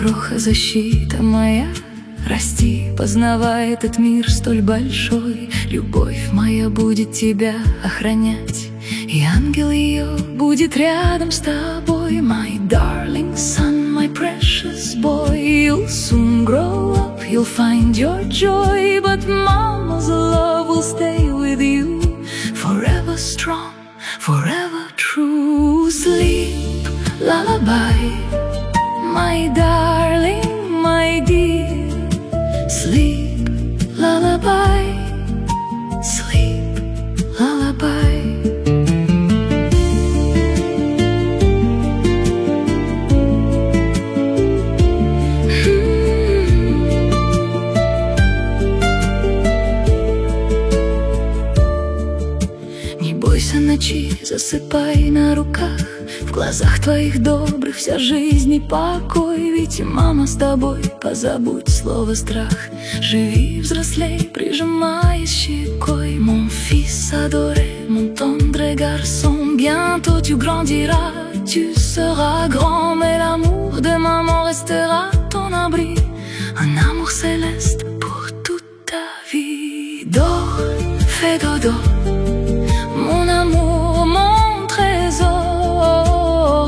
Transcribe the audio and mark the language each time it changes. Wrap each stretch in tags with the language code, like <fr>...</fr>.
<ru>Защита моя, расти, познавай этот мир столь большой. Любовь моя будет тебя охранять, и ангел ее будет рядом с тобой.</ru> <en>My darling son, my precious boy, you'll soon grow up, you'll find your joy. But mama's love will stay with you, forever strong, forever true. Sleep, lullaby, my darling, my dear. Sleep, lullaby, sleep, lullaby.</en> <ru>Не бойся ночи, засыпай на руках. В глазах твоих добрых вся жизнь и покой. Ведь мама с тобой, позабудь слово страх. Живи, взрослей, прижимаясь щекой.</ru> <fr>Mon fils adoré, mon tendre garçon. Bientôt tu grandiras, tu seras grand. Mais l'amour de maman restera ton abri. Un amour céleste pour toute ta vie. Dors, fais dodo, mon amour, mon trésor.</fr>